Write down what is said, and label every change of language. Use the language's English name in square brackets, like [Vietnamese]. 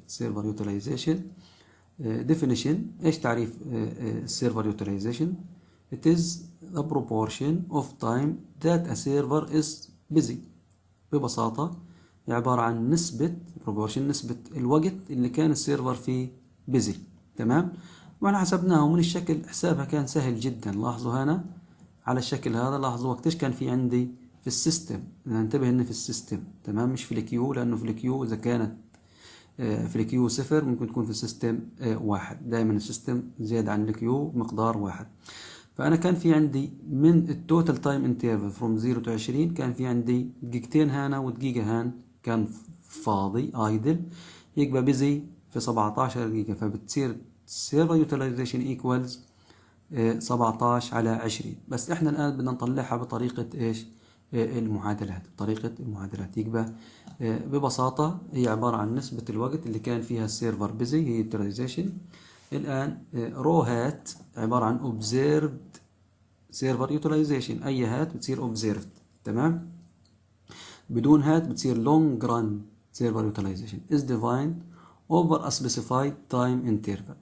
[English] server utilization definition، [Arabic] ايش تعريف [English] server utilization؟ it is a proportion of time that a server is busy. [Arabic] ببساطة عبارة عن نسبة proportion، نسبة الوقت اللي كان السيرفر فيه busy. تمام، وانا حسبناها ومن الشكل حسابها كان سهل جدا. لاحظوا هنا على الشكل هذا، لاحظوا وقت ايش كان في عندي في السيستم، ننتبه انه في السيستم، تمام، مش في الكيو، لانه في الكيو اذا كانت في الكيو صفر ممكن تكون في السيستم واحد، دائما السيستم زيادة عن الكيو مقدار واحد. فأنا كان في عندي من [English] التوتال time interval from 0 to 20 [Arabic] كان في عندي دقيقتين هنا ودقيقة هان كان فاضي ايدل، يبقى بيزي في 17 دقيقة. [English] فبتصير server utilization equals 17 على 20. [Arabic] بس احنا الآن بدنا نطلعها بطريقة ايش؟ المعادلات، طريقة المعادلات. يبقى ببساطة هي عبارة عن نسبة الوقت اللي كان فيها السيرفر بيزي، هي يوتيلايزيشن. الآن رو هات عبارة عن [English] observed server utilization، [Arabic] أي هات بتصير [English] observed، تمام، [Arabic] بدون هات بتصير [English] long run server utilization is defined over a specified time interval.